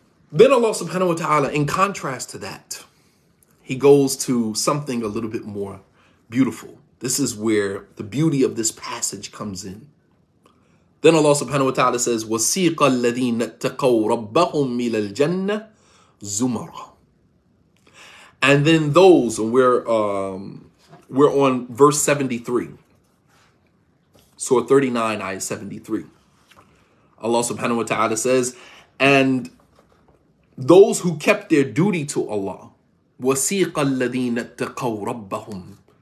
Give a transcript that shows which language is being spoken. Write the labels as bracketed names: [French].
[English] Then Allah subhanahu wa ta'ala, in contrast to that, he goes to something a little bit more beautiful. This is where the beauty of this passage comes in. Then Allah subhanahu wa ta'ala says, [Arabic] وَسِيقَ الَّذِينَ اتَّقَوْا رَبَّهُمْ مِلَ الْجَنَّةِ زُمَرًا. [English] And then those, and we're on verse 73. Surah 39, ayah 73. Allah subhanahu wa ta'ala says, and those who kept their duty to Allah, [Arabic] وَسِيقَ الَّذِينَ اتَّقَوْا رَبَّهُمْ.